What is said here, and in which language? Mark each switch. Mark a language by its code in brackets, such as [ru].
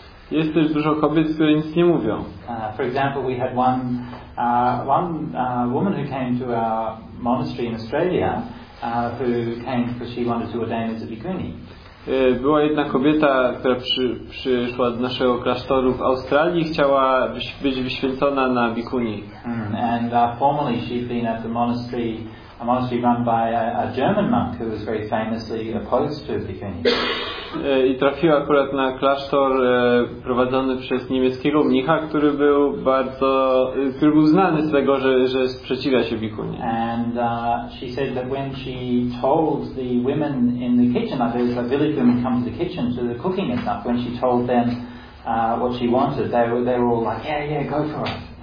[pl] Jest też dużo kobiet, które nic nie mówią. [en] For example, we had one woman who came to our monastery in Australia, who came because she wanted to ordain as a bikuni. [pl] Była jedna kobieta, która przyszła do naszego klasztoru w Australii i chciała być wyświęcona na bikuni. [en] And formerly she'd been at the monastery. A monastery run by a German monk who was very famously opposed to bikini. [pl] I trafiła akurat na klasztor prowadzony przez niemieckiego mnicha, który był bardzo znany z tego, że sprzeciwia się bikuni. [en] And she said that when she told the women in the kitchen, there was a village woman come to the kitchen to the cooking and stuff, when she told them what she wanted, they were all like, yeah, go for it.